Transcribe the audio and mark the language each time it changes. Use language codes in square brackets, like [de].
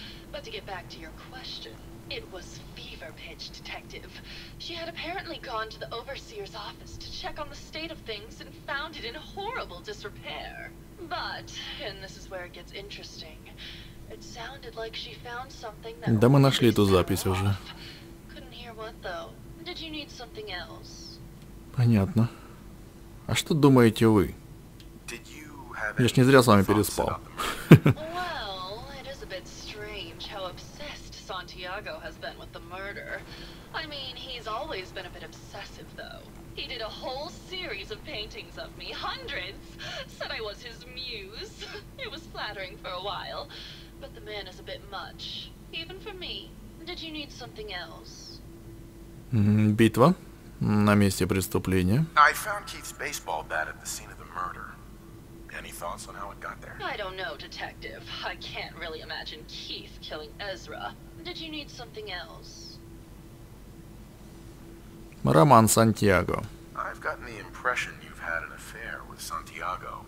[en] But to get back to your question, it was fever pitch, detective. She had apparently gone to the overseer's office to check on the state of things and found it in horrible disrepair. But, and this is where it gets interesting, it sounded like she found something that... [ru] Да, мы нашли эту запись уже. [en] Couldn't hear what, though. Did you need something else? [ru] Понятно. А что думаете вы? Я ж не зря с вами переспал. [en] Well, it is a bit strange how obsessed Santiago has been with the murder. I mean, he's always been a bit obsessive, though. He did a whole series of paintings of me, hundreds, said I was his muse. It was flattering for a while, but the man is a bit much, even for me. Did you need something else? [ru] Битва на месте преступления. [en] I found Keith's baseball bat at the scene of the murder. Any thoughts on how it got there? I don't know, detective. I can't really imagine Keith killing Ezra. Did you need something else? [ru] Роман Сантьяго. [en] I've gotten the impression you've had an affair with Santiago.